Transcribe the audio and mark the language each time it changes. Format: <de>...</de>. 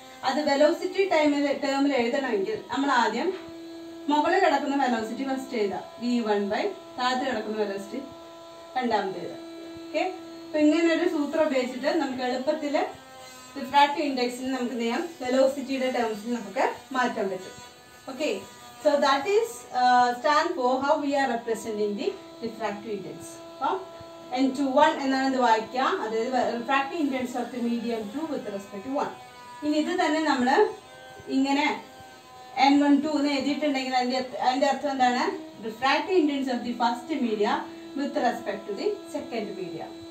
<ml>അത് വെലോസിറ്റി ടൈമിൽ ടേമിൽ എഴുതണമെങ്കിൽ നമ്മൾ ആദ്യം മുകളിൽ കിടക്കുന്ന വെലോസിറ്റി ഫസ്റ്റ് എഴുതാം, വി വൺ ബൈ താഴത്ത് കിടക്കുന്ന വെലോസിറ്റി രണ്ടാമത് എഴുതാം. ഓക്കെ, അപ്പൊ ഇങ്ങനെ ഒരു സൂത്രം ഉപയോഗിച്ചിട്ട് നമുക്ക് എളുപ്പത്തിൽ റിഫ്രാക്റ്റീവ് ഇൻഡെക്സിന് നമുക്ക് ചെയ്യാം, വെലോസിറ്റിയുടെ ടേംസിൽ നമുക്ക് മാറ്റാൻ പറ്റും.</ml> <en>Okay, so that is stand for how we are representing the refractive index.</en> <ml>n to 1 എന്നാണ് ഇത് വായിക്കുക, അത്</ml> <en>refractive index of the medium two with respect to</en> <ml>1. ഇനി ഇത് തന്നെ നമ്മൾ ഇങ്ങനെ n 1 2 എന്ന് എഴുതിയിട്ടുണ്ടെങ്കിൽ അതിന്റെ അർത്ഥം എന്താണ്,</ml> <en>Refractive index of the first media with respect to the second media.</en>